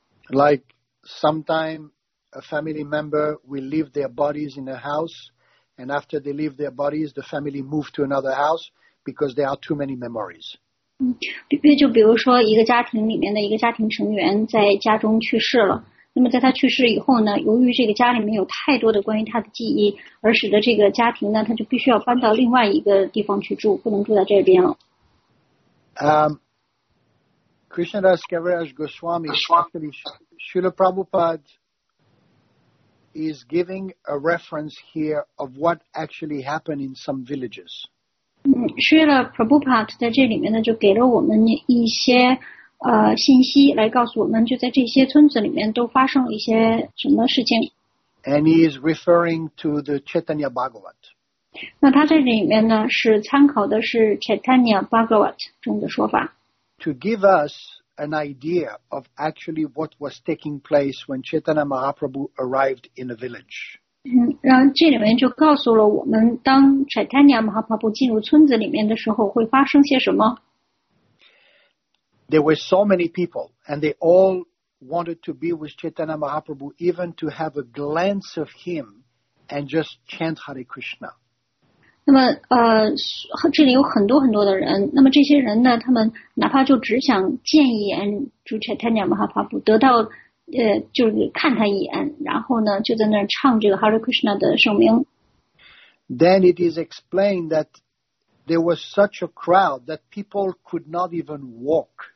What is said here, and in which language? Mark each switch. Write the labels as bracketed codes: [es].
[en] Like sometime a family member will leave their bodies in a house, and after they leave their bodies, the family move to another house because there are too many memories. [zh] 就比如说一个家庭里面的一个家庭成员在家中去世了。那么在他去世以后呢，由于这个家里面有太多的关于他的记忆，而使得这个家庭呢，他就必须要搬到另外一个地方去住，不能住在这边了。 [en] Krishnadas Kaviraj Goswami, actually, Srila Prabhupada is giving a reference here of what actually happened in some villages. [zh] Srila Prabhupada 在这里面呢就给了我们一些信息来告诉我们就在这些村子里面都发生了一些什么事情。 [en] And he is referring to the Chaitanya Bhagavat. [zh] 那他在这里面呢是参考的是 Chaitanya Bhagavat 中的说法。 [en] To give us an idea of actually what was taking place when Chaitanya Mahaprabhu arrived in a village. [zh] 然后这里面就告诉了我们当 Chaitanya Mahaprabhu 进入村子里面的时候会发生些什么。 [en] There were so many people, and they all wanted to be with Chaitanya Mahaprabhu, even to have a glance of him and just chant Hare Krishna. [zh] 那么这里有很多很多的人，那么这些人呢，他们哪怕就只想见一眼主 Chaitanya Mahaprabhu， 得到就是看他一眼，然后呢就在那儿唱这个 Hare Krishna 的圣名。 [en] Then it is explained that there was such a crowd that people could not even walk.